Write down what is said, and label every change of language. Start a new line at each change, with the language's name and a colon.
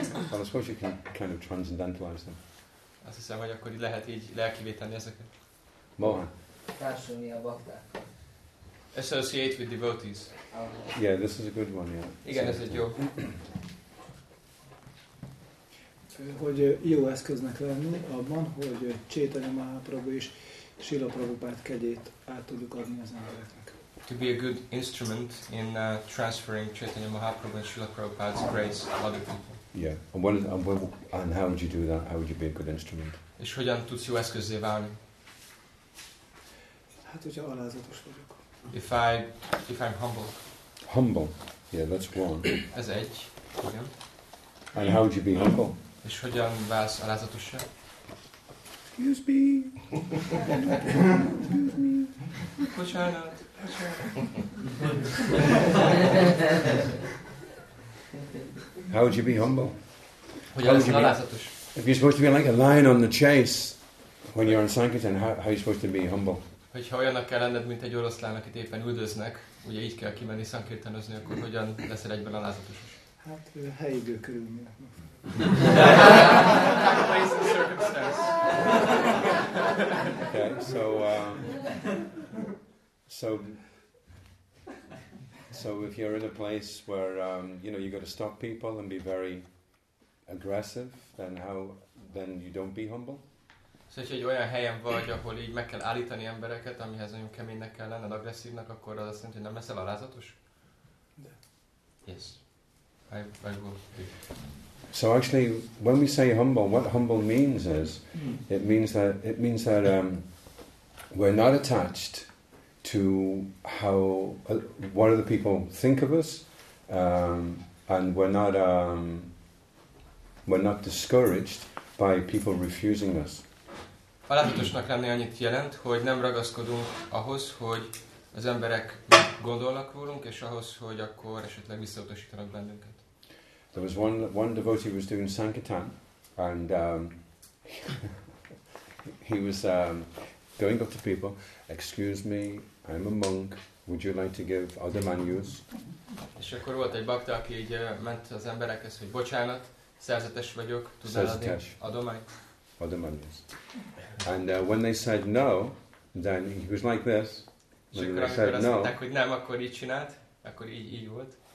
English: Well, I suppose you can kind of transcendentalize them.
Hungarian: Azt hiszem, hogy akkor lehet így lelkivé tenni ezeket. Mohan. Társulni a bhakta.
English: Associate with devotees. Yeah, this is a good one, yeah.
Hungarian: Igen, ez egy jó. Hogy jó eszköznek lenni abban, hogy Chaitanya Mahaprabhu is Srila Prabhupád kegyét át tudjuk adni az embereknek.
English: To be a good instrument in transferring Chaitanya Mahaprabhu and Srila Prabhupád's grace to other people. Yeah, and how would you do that? How would you be a good instrument?
Hungarian: És hogyan tudsz jó eszközzé válni? Hát, hogyha alázatos vagyok.
English: If I'm humble. Humble, yeah, that's one.
Hungarian: Ez egy, igen.
English: And how would you be humble?
Hungarian: És hogyan válsz alázatossá?
English: Excuse me. Excuse me.
Hungarian: Bocsánat.
English: How would you be humble?
Hungarian: Hogyan lesz alázatos?
English: If you're supposed to be like a lion on the chase when you're in Sankirtan, how are you supposed to be humble?
Hungarian: Hogyha olyannak kell lenned, mint egy oroszlán, akit éppen üldöznek, ugye így kell kimenni Sankirtanozni, akkor hogyan leszel egyben alázatos? Hát helyigő körülmények.
English: Place and circumstance. Okay, so... So if you're in a place where you know you got to stop people and be very aggressive, then you don't be humble.
Hungarian: So egy olyan helyen vagy, ahol így meg kell állítani embereket, amihez nagyon keménynek kell lenned, agresszívnak, akkor az azt jelenti, hogy nem leszel alázatos?
English: Yes. I will be. So actually, when we say humble, what humble means is, it means that we're not attached to how what other people think of us, and we're not discouraged by people refusing us.
Hungarian: Alázatosnak lenni annyit jelent, hogy nem ragaszkodunk ahhoz, hogy az emberek mit gondolnak rólunk, és ahhoz, hogy akkor esetleg visszautasítanak bennünket.
English: There was one devotee who was doing sankirtan, and he was going up to people. Excuse me, I'm a monk. Would you like to give other menus?
Hungarian: És akkor volt egy bakta, aki így ment az emberekhez, hogy bocsánat, szerzetes vagyok, tudnál adni adományt?
English: Other menus. And when they said no, then he was like this. When they said no,
Hungarian: mondták, hogy nem, akkor így csinált, akkor így volt.